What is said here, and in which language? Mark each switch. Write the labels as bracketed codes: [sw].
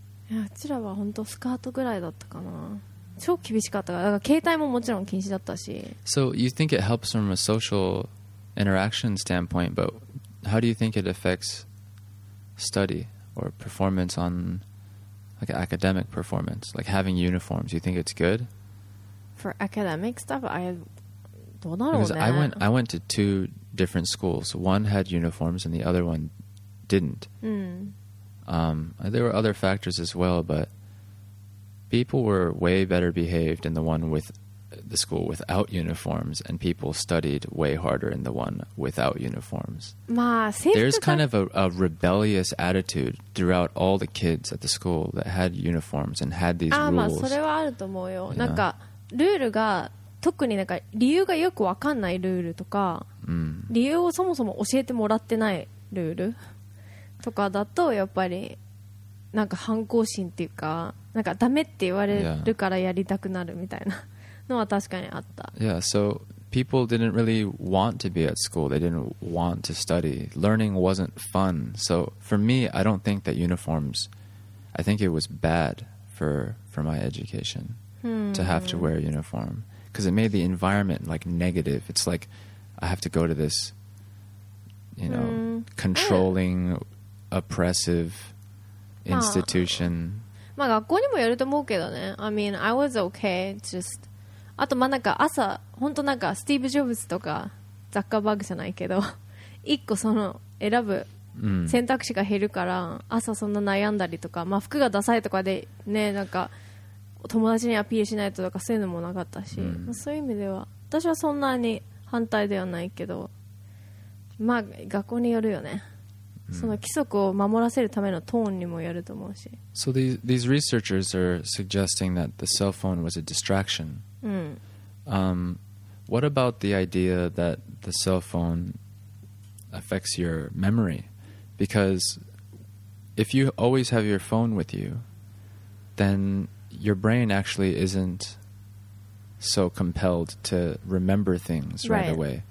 [ja] いや、うちらは本当スカートぐらいだったかな。超厳しかったから、だから携帯ももちろん禁止だったし。 [en] So you think it helps from a social interaction standpoint, but how do you think it affects study or performance on like academic performance? Like having uniforms, you think it's good? For academic stuff, I [ja] どうだろうね。 [en] Because I went to two different schools. One had uniforms and the other one didn't. There were other factors as well, but. People were way better behaved in the one with the school without uniforms, and people studied way harder in the one without uniforms. [ja] まあ、制服 [en] が… There's kind of a rebellious attitude throughout all the kids at the school that had uniforms and had these rules. [ja] あ、まあ、それはあると思うよ。なんか、ルールが、特になんか理由がよくわかんないルールとか、理由をそもそも教えてもらってないルールとかだと、やっぱり、なんか反抗心っていうか、なんかダメって言われるからやりたくなるみたいなのは確かにあった。 [en] Yeah, so people didn't really want to be at school. They didn't want to study. Learning wasn't fun. So for me, I don't think that uniforms, I think it was bad for my education to have to wear a uniform. Because it made the environment like negative. It's like I have to go to this, you know, controlling, oppressive institution. [ja] まあ、学校にもやると思うけどね。 [en] I mean, I was okay. Just... [ja] あと、まあなんか朝、本当なんかスティーブ・ジョブズとかザッカーバーグじゃないけど、一個その選ぶ選択肢が減るから、朝そんな悩んだりとか、まあ、服がダサいとかでね、なんか友達にアピールしないととかそういうのもなかったし、まあ、そういう意味では、私はそんなに反対ではないけど、まあ学校によるよね。その規則を守らせるためのトーンにもやると思うし。 [en] So these researchers are suggesting that the cell phone was a distraction. [ja] うん。 [en] What about the idea that the cell phone affects your memory. Because if you always have your phone with you, then your brain actually isn't so compelled to remember things right away.